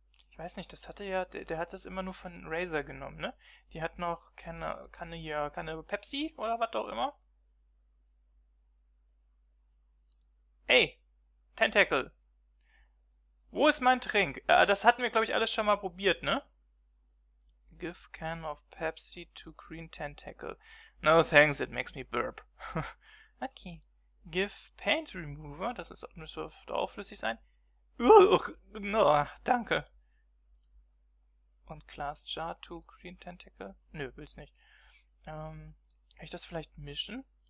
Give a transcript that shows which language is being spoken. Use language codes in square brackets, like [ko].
[de] Ich weiß nicht, das hatte ja, der hat das immer nur von Razer genommen, ne? Die hat noch keine, keine Pepsi oder was auch immer. Ey, Tentakel. Wo ist mein Trink? Das hatten wir, glaube ich, alles schon mal probiert, ne? [en] Give can of Pepsi to green Tentakel. No thanks, it makes me burp. [de] Okay. [en] Give paint remover, [de] das ist, müsste auch flüssig sein. [en] Ugh, no, [de] danke. Und [en] glass jar to green Tentakel? [de] Nö, will's nicht. Kann ich das vielleicht mischen?